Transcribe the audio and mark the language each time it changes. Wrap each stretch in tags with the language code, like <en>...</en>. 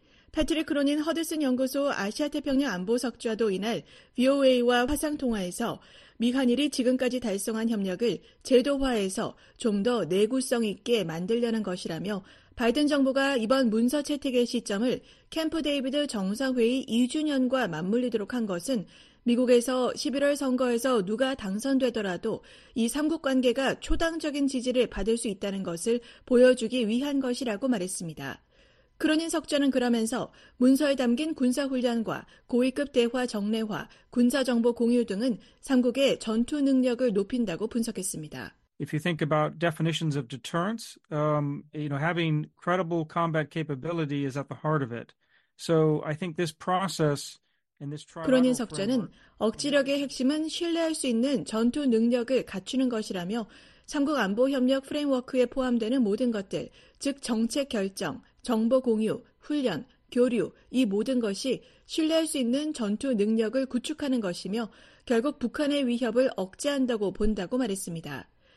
<ko>패트릭 크로닌 허드슨 연구소 아시아태평양 안보석좌도 이날 VOA와 화상통화에서 미한일이 지금까지 달성한 협력을 제도화해서 좀 더 내구성 있게 만들려는 것이라며 바이든 정부가 이번 문서 채택의 시점을 캠프 데이비드 정상회의 2주년과 맞물리도록 한 것은 미국에서 11월 선거에서 누가 당선되더라도 이 3국 관계가 초당적인 지지를 받을 수 있다는 것을 보여주기 위한 것이라고 말했습니다. 크로닌 석좌는 그러면서 문서에 담긴 군사훈련과 고위급 대화 정례화, 군사정보 공유 등은 3국의 전투 능력을 높인다고 분석했습니다.</ko> <en>If you think about definitions of deterrence, you know, having credible combat capability is at the heart of it. So I think this process in this trial.</en> <ko>크로닌 석좌는 억지력의 핵심은 신뢰할 수 있는 전투 능력을 갖추는 것이라며 3국 안보협력 프레임워크에 포함되는 모든 것들, 즉 정책 결정, 정보 공유, 훈련, 교류, 이 모든 것이 신뢰할 수 있는 전투 능력을 구축하는 것이며 결국 북한의 위협을 억제한다고 본다고 말했습니다.</ko>